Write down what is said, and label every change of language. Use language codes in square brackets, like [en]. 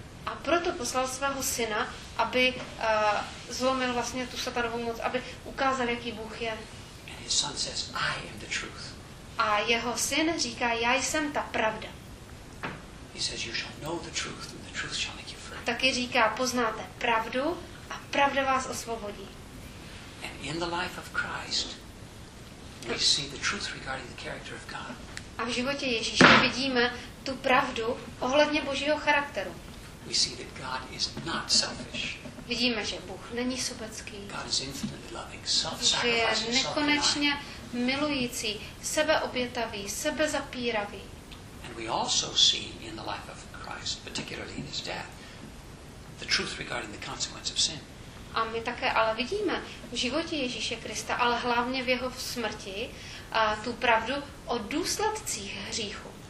[cs] A proto poslal svého syna, aby zlomil vlastně tu Satanovu moc, aby ukázal, jaký Bůh je. [en] And his son says, I am the truth. [cs] A jeho syn říká, já jsem ta pravda. [en] He says, you shall know the truth, and the truth shall make you free. [cs] Taky říká, poznáte pravdu a pravda vás osvobodí. [en] And in the life of Christ, we see the truth regarding the character of God. [cs] A v životě Ježíše vidíme tu pravdu ohledně Božího charakteru. [en] We see that God is not selfish. [cs] Vidíme, že Bůh není sobecký. [en] God is infinitely loving, self-sacrificing, [cs] je nekonečně milující, sebeobětavý, sebezapíravý. And we also see in the life of Christ, particularly in his death, the truth regarding the consequence of sin. A my také ale vidíme v životě Ježíše Krista, ale hlavně v jeho smrti, tu pravdu o důsledcích hříchu.